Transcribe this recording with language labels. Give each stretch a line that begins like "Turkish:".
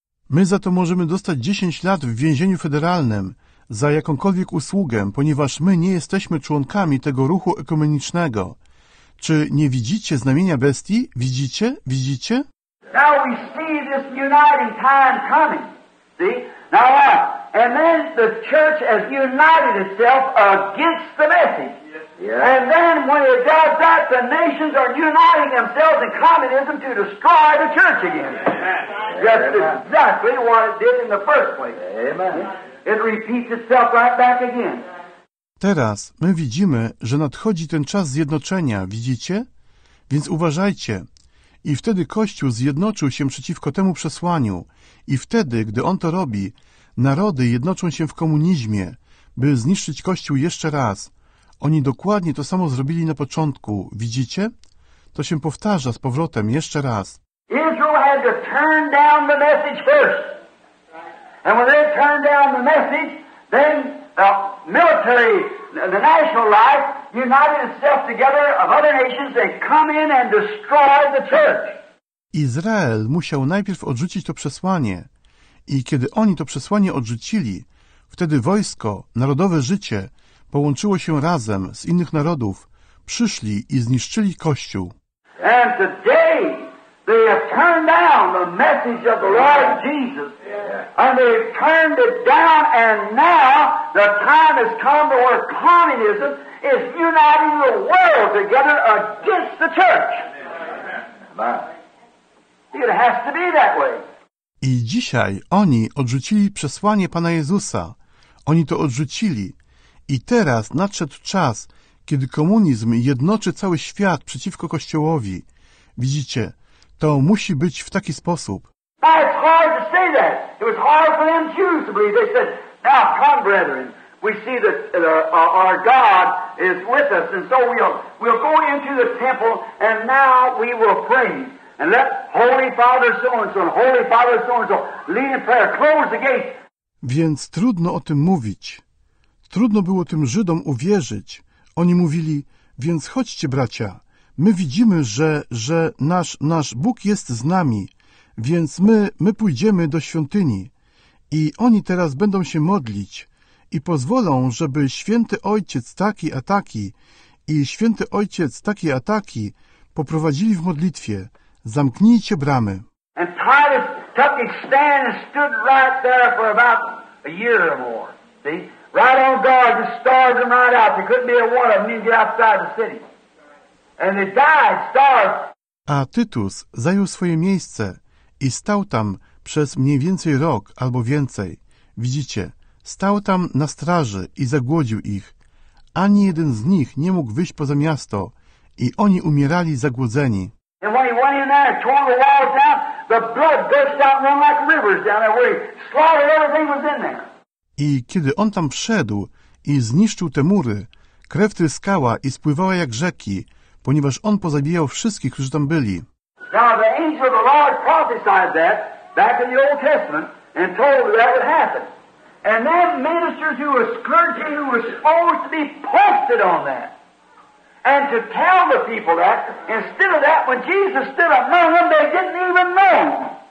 Polish: My za to możemy dostać 10 lat w więzieniu federalnym za jakąkolwiek usługę, ponieważ my nie jesteśmy członkami tego ruchu ekumenicznego. Czy nie widzicie znamienia bestii? Widzicie? Widzicie?
English: Now we see this uniting time coming. See? Now what? And then the church has united itself against the message. Yeah. And then when it does that, the nations are uniting themselves in communism to destroy the church again. Yeah. That's Amen. Exactly what it did in the first place. Amen. It repeats itself right back again.
Polish: Teraz my widzimy, że nadchodzi ten czas zjednoczenia, widzicie? Więc uważajcie. I wtedy Kościół zjednoczył się przeciwko temu przesłaniu. I wtedy, gdy on to robi, narody jednoczą się w komunizmie, by zniszczyć Kościół jeszcze raz. Oni dokładnie to samo zrobili na początku, widzicie? To się powtarza z powrotem jeszcze raz.
English: Israel had to turn down the message first. And when they turned down the message, then the military, the national life, united itself together of other nations, they come in and destroy the church.
Polish: Izrael musiał najpierw odrzucić to przesłanie. I kiedy oni to przesłanie odrzucili, wtedy wojsko, narodowe życie, połączyło się razem z innych narodów, przyszli i zniszczyli Kościół.
English: And today they have turned down the message of the Lord Jesus. And they turned it down, and now the time has come to where communism is uniting the world together against the church. It has to be that way.
Polish: I dzisiaj oni odrzucili przesłanie Pana Jezusa. Oni to odrzucili. I teraz nadszedł czas, kiedy komunizm jednoczy cały świat przeciwko Kościołowi. Widzicie, to musi być w taki sposób.
English: It's hard to say that. It was hard for them Jews to believe. They said, now come, brethren, we see that our God is with us, and so we'll go into the temple, and now we will pray. And let Holy Father so-and-so and Holy Father so-and-so lead in prayer. Close the gate.
Polish: Więc trudno o tym mówić. Trudno było tym Żydom uwierzyć. Oni mówili, więc chodźcie, bracia. My widzimy, że nasz Bóg jest z nami. Więc my pójdziemy do świątyni i oni teraz będą się modlić i pozwolą, żeby Święty Ojciec taki a taki i Święty Ojciec taki a taki poprowadzili w modlitwie. Zamknijcie bramy.
English: And Titus took his stand and stood right there for about a year or more. See? Right on guard, just starved them right out. There couldn't be a one of them to get outside the city. And they died, starved.
Polish: A Tytus zajął swoje miejsce. I stał tam przez mniej więcej rok albo więcej. Widzicie, stał tam na straży i zagłodził ich. Ani jeden z nich nie mógł wyjść poza miasto i oni umierali zagłodzeni.
English: And when he went in there and tore the walls down, the blood gushed out and ran like rivers down there where he slaughtered everything was in there.
Polish: I kiedy on tam wszedł i zniszczył te mury, krew tryskała i spływała jak rzeki, ponieważ on pozabijał wszystkich, którzy tam byli.
English: Now the angel of the Lord prophesied that back in the Old Testament and told that would happen. And then ministers who were scourging, who were supposed to be posted on that. And to tell the people that, instead of that, when Jesus stood up among them, they didn't even know.